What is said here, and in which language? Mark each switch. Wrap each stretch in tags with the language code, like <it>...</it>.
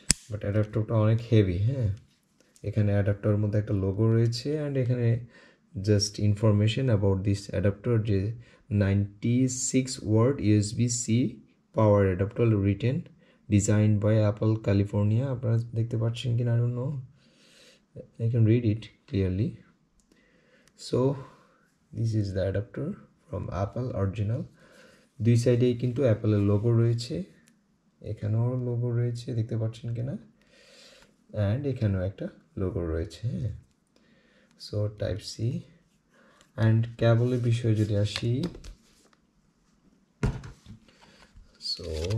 <en>but</en> <bn>অ্যাডাপ্টারটা অনেক heavy. হ্যাঁ, এখানে অ্যাডাপ্টারের মধ্যে একটা লোগো রয়েছে,</bn> <en>And এখানে just information about this adapter যে 96 watt USB C power adapter written, design by Apple California.</en> <bn>আপনারা দেখতে পাচ্ছেন কি না,</bn> <en>I don't know, I can read it clearly. So this is the adapter from Apple original.</en> <bn>দুই সাইডেই কিন্তু অ্যাপেলের লোগো রয়েছে, এখানেও লোগো রয়েছে, দেখতে পাচ্ছেন কি না? অ্যান্ড এখানেও একটা লোগো রয়েছে। হ্যাঁ, সো টাইপ সি। অ্যান্ড ক্যাবলের বিষয়ে যদি আসি, সো</bn>